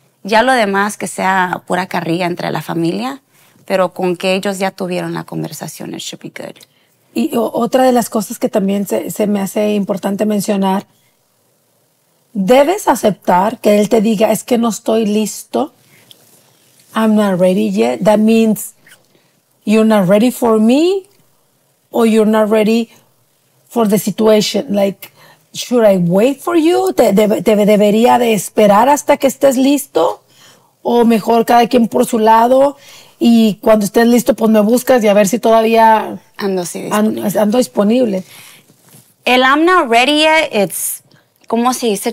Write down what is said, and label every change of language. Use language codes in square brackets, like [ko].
[es] Ya lo demás, que sea pura carrilla entre la familia, pero con que ellos ya tuvieron la conversación, [en] it should be good. [es] Y otra de las cosas que también se me hace importante mencionar, debes aceptar que él te diga, es que no estoy listo, [en] I'm not ready yet. That means you're not ready for me or you're not ready for the situation. Like, should I wait for you? [es] ¿Debería de esperar hasta que estés listo? ¿O mejor cada quien por su lado? Y cuando estés listo, pues me buscas y a ver si todavía [en] ando disponible. El I'm not ready yet, it's, [es] ¿cómo se dice?